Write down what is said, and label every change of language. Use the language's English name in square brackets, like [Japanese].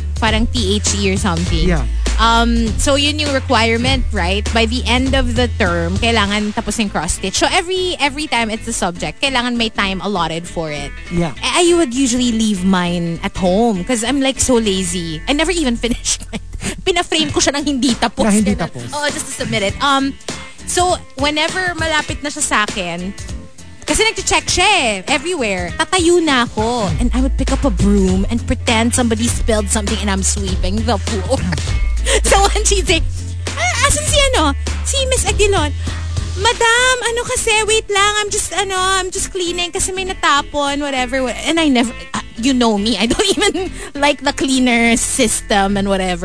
[Filipino] parang [English] THE or something. Yeah. So [Filipino] yun yung [English] requirement, right? By the end of the term, [Filipino] kailangan tapusin [English] cross stitch. So every time it's a subject, [Filipino] kailangan may [English] time allotted for it. Yeah. I would usually leave mine at home because I'm like so lazy. I never even finished mine. [Filipino] Pinaframe ko siya nang hindi tapos. Na hindi tapos. [English] Oh, just to submit it. So whenever [Filipino] malapit na siya sa akin, kasi nag-check siya [English] everywhere. [Filipino] Tatayo na ako. [English] And I would pick up a broom and pretend somebody spilled something and I'm sweeping the floor. So when she'd say, [Filipino] asan si ano? [English] Si Miss Aguilon. [Filipino] Madam, ano kasi? [English] Wait [Filipino] lang. [English] I'm just cleaning [Filipino] kasi may natapon, [English] whatever. And I never, you know me, I don't even like the cleaner system and whatever.